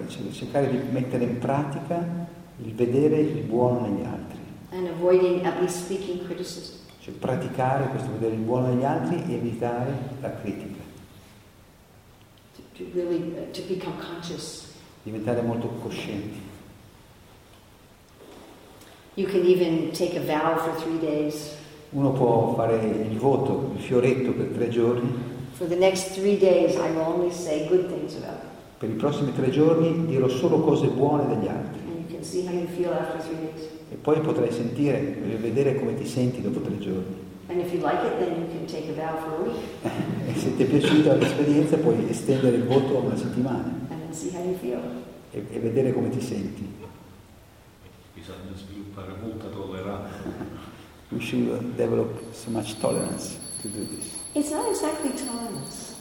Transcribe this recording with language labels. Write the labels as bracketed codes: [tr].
[it] Cercare di mettere in pratica il vedere il buono negli altri. [en] And avoiding at least speaking criticism. [it] Cioè praticare questo vedere il buono negli altri e evitare la critica. [en] To really become conscious. [it] Diventare molto coscienti. [en] You can even take a vow for 3 days. [it] Uno può fare il voto, il fioretto per 3 giorni. [en] For the next 3 days, I will only say good things about. [it] Per i prossimi 3 giorni dirò solo cose buone degli altri. [en] And you can see how you feel after 3 days. [it] E poi potrai sentire, vedere come ti senti dopo 3 giorni. [en] And if you like it, then you can take a vow for a week. [it] E se ti è piaciuta l'esperienza, puoi estendere il voto a una settimana. [en] And see how you feel. [it] E vedere come ti senti. Bisogna sviluppare molta tolleranza. [en] We should develop so much tolerance to do this. It's not exactly tolerance.